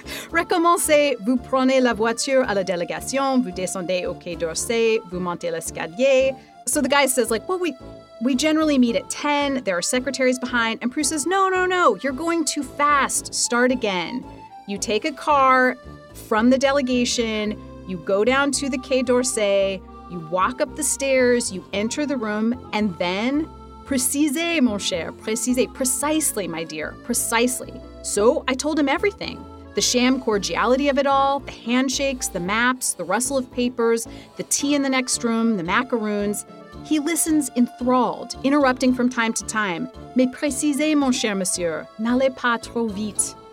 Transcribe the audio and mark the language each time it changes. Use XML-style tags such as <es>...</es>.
<fr>Recommencez, vous prenez la voiture à la délégation, vous descendez au quai d'Orsay, vous montez l'escalier.</fr> <en>So the guy says, like, well, we generally meet at 10, there are secretaries behind, and Proust says, no, you're going too fast, start again. You take a car from the delegation, you go down to the quai d'Orsay, you walk up the stairs, you enter the room, and then, précisez, mon cher, précisez, precisely, my dear, precisely. So I told him everything, the sham cordiality of it all, the handshakes, the maps, the rustle of papers, the tea in the next room, the macaroons. He listens enthralled, interrupting from time to time.</en> <fr>Mais précisez, mon cher monsieur, n'allez pas trop vite.</fr>